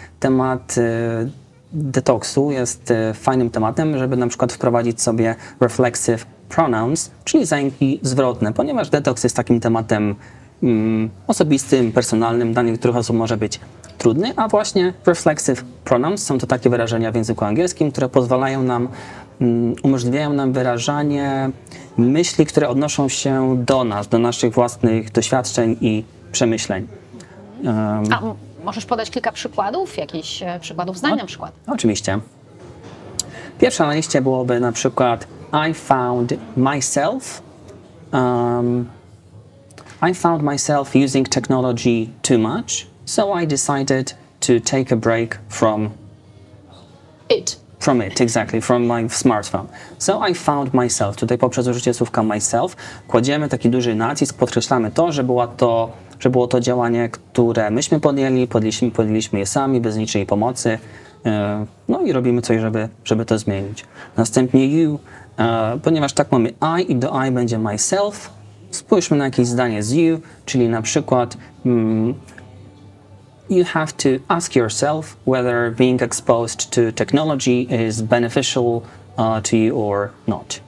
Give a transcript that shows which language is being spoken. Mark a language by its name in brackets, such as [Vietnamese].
[Polish] Temat detoksu jest fajnym tematem, żeby na przykład wprowadzić sobie reflexive pronouns, czyli zajęki zwrotne, ponieważ detoks jest takim tematem osobistym, personalnym, dla niektórych osób może być trudny, a właśnie reflexive pronouns są to takie wyrażenia w języku angielskim, które pozwalają nam umożliwiają nam wyrażanie myśli, które odnoszą się do nas, do naszych własnych doświadczeń i przemyśleń. A możesz podać kilka przykładów, jakichś przykładów zdań na przykład? Oczywiście. Pierwsza na liście byłoby na przykład [English] I found myself. I found myself using technology too much, so I decided to take a break from it. From it, exactly, from my smartphone. So I found myself. [Polish] Tutaj poprzez użycie słówka myself kładziemy taki duży nacisk, podkreślamy to, że było to działanie, które myśmy podjęli, podjęliśmy je sami, bez niczej pomocy. No i robimy coś, żeby to zmienić. Następnie you, ponieważ tak mamy I i do I będzie myself, spójrzmy na jakieś zdanie z you, czyli na przykład [English] you have to ask yourself whether being exposed to technology is beneficial to you or not.